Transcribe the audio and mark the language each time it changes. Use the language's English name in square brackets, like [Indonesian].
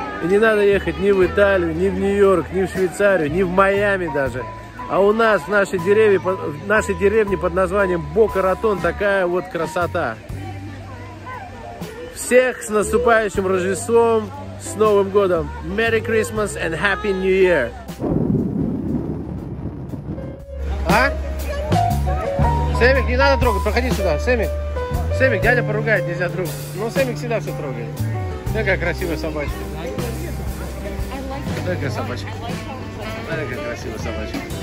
[Russian] И не надо ехать ни в Италию, ни в Нью-Йорк, ни в Швейцарию, ни в Майами даже. А у нас в нашей деревне, под названием Бока-Ратон такая вот красота. Всех с наступающим Рождеством, с Новым годом. [English] Merry Christmas and Happy New Year. [Russian] А? Семик, не надо трогать, проходи сюда, Семик. Семик, дядя поругает, нельзя трогать. Но Семик всегда все трогает. Какая красивая собачка. Какая собачка. Какая красивая собачка.